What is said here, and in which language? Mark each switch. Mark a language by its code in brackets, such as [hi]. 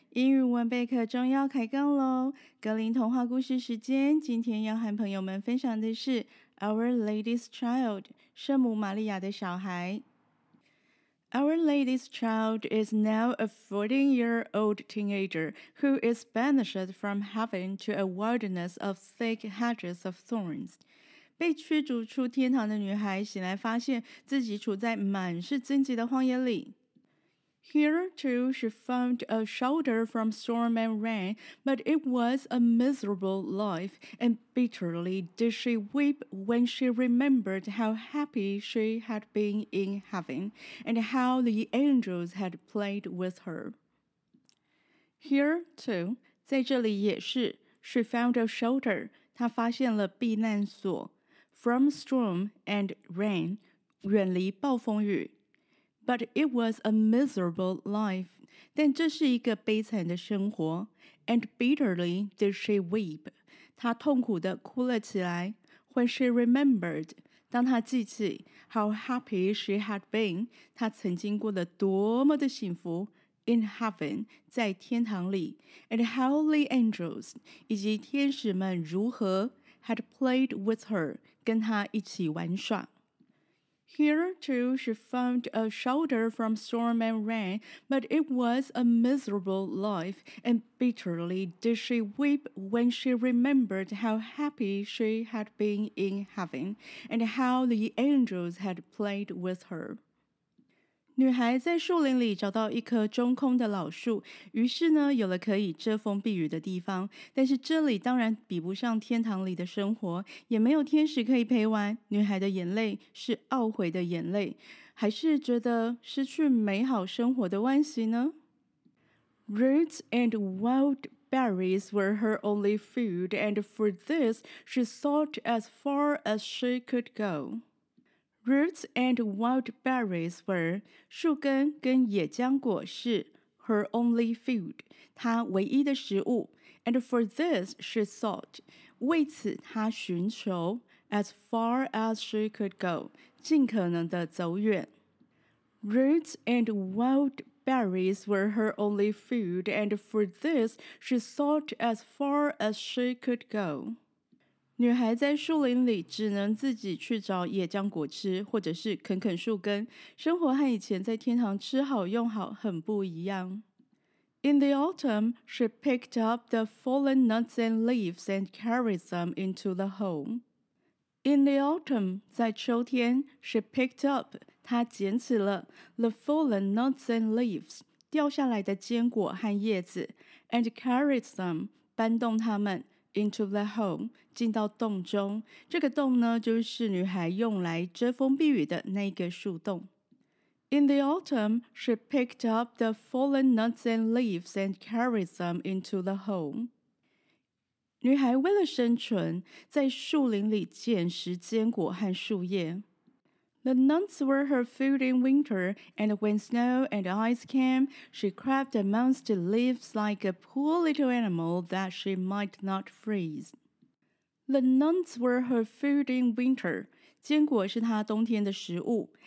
[zh] 英语文备课终要开更咯。格林童话故事时间，今天要和朋友们分享的是 Our Lady's Child, 圣母玛利亚的小孩。 [en] Our Lady's Child is now a 14-year-old teenager who is banished from heaven to a wilderness of thick hedges of thorns. [zh] 被驱逐出天堂的女孩醒来发现自己处在满是荆棘的荒野里。 [en] Here too she found a shelter from storm and rain, but it was a miserable life, and bitterly did she weep when she remembered how happy she had been in heaven, and how the angels had played with her. Here too, [zh] 在这里也是 [en] she found a shelter, [zh] 她发现了避难所。 [en] From storm and rain, [zh] 远离暴风雨。 [en] But it was a miserable life. [zh] 但这是一个悲惨的生活。 [en] And bitterly did she weep. [zh] 她痛苦地哭了起来。 [en] When she remembered, [zh] 当她记起 [en] how happy she had been, [zh] 她曾经过得多么的幸福。 [en] In heaven, [zh] 在天堂里。 [en] And how the angels, [zh] 以及天使们如何。 [en] Had played with her, [zh] 跟她一起玩耍。 [en] Here too she found a shelter from storm and rain, but it was a miserable life, and bitterly did she weep when she remembered how happy she had been in heaven, and how the angels had played with her. [zh] 女孩在树林里找到一棵中空的老树，于是呢，有了可以遮风避雨的地方。但是这里当然比不上天堂里的生活，也没有天使可以陪玩。女孩的眼泪是懊悔的眼泪，还是觉得失去美好生活的惋惜呢？ [en] Roots and wild berries were her only food, and for this she sought as far as she could go. Roots and wild berries were [zh] 树根跟野浆果是 [en] her only food, [zh] 她唯一的食物 [en] and for this she sought, [zh] 为此她寻求 [en] as far as she could go, [zh] 尽可能的走远 [en] Roots and wild berries were her only food, and for this she sought as far as she could go. [zh] 女孩在树林里只能自己去找野浆果吃，或者是啃啃树根。生活和以前在天堂吃好用好很不一样。 [en] In the autumn, she picked up the fallen nuts and leaves and carried them into the home. In the autumn, [zh] 在秋天 [en] she picked up, [zh] 她捡起了 [en] the fallen nuts and leaves, [zh] 掉下来的坚果和叶子 [en] and carried them, [zh] 搬动它们。 [en] Into the home, [zh] 进到洞中。这个洞呢，就是女孩用来遮风避雨的那个树洞。 [en] In the autumn, she picked up the fallen nuts and leaves and carried them into the home. [zh] 女孩为了生存，在树林里捡拾坚果和树叶。 [en] The nuts were her food in winter, and when snow and ice came, she crept amongst the leaves like a poor little animal that she might not freeze. The nuts were her food in winter. [zh] 坚果是她冬天的食物。